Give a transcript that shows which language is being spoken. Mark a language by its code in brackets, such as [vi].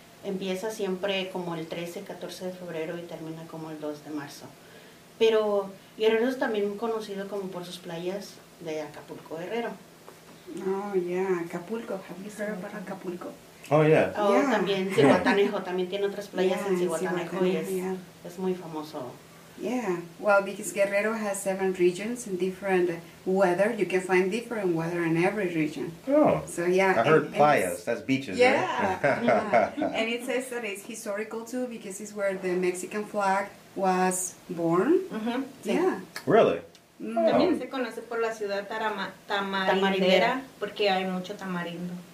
[es] Empieza siempre como el 13, 14 de febrero y termina como el 2 de marzo. Pero Guerrero es también conocido como por sus playas de Acapulco, Guerrero. [en] Oh, yeah, [es] Acapulco. ¿Has escuchado para Acapulco? [en] Oh, yeah. Oh, yeah. [es] También Zihuatanejo. También tiene otras playas en Zihuatanejo y es muy famoso. [en] Yeah, well, because Guerrero has 7 regions and different weather. You can find different weather in every region. Oh, so yeah, I heard playas. That's beaches, yeah, right? Yeah, and it says that it's historical too because it's where the Mexican flag was born. Mm-hmm. Yeah. Really? No. [es] También se conoce por la ciudad tamarindera porque hay mucho tamarindo.